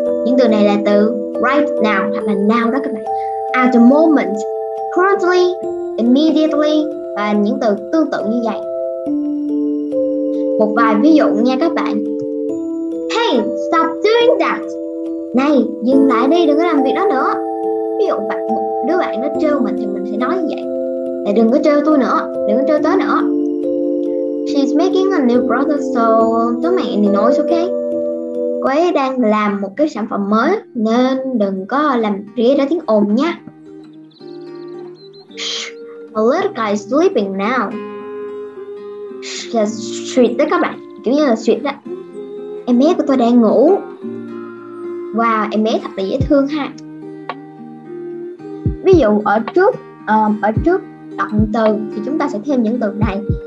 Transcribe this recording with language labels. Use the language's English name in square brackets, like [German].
[Vietnamese] Những từ này là từ right now hoặc là now đó các bạn. At the moment, currently, immediately và những từ tương tự như vậy. Một vài ví dụ nha các bạn. [English] Hey, stop doing that. [Vietnamese] Này, dừng lại đi, đừng có làm việc đó nữa. Ví dụ bạn, một đứa bạn nó trêu mình thì mình sẽ nói như vậy. Này, đừng có trêu tôi nữa, đừng có trêu tới nữa. [English] She's making a new product, so don't make any noise, okay? [Vietnamese] Cô ấy đang làm một cái sản phẩm mới, nên đừng có làm gây ra tiếng ồn nha. [English] Shh, a little guy is sleeping now. [Vietnamese] Shh, [English] that's sweet [Vietnamese] đó các bạn, kiểu như là sweet đó. Em bé của tôi đang ngủ. Wow, em bé thật là dễ thương ha. Ví dụ ở trước động từ thì chúng ta sẽ thêm những từ này.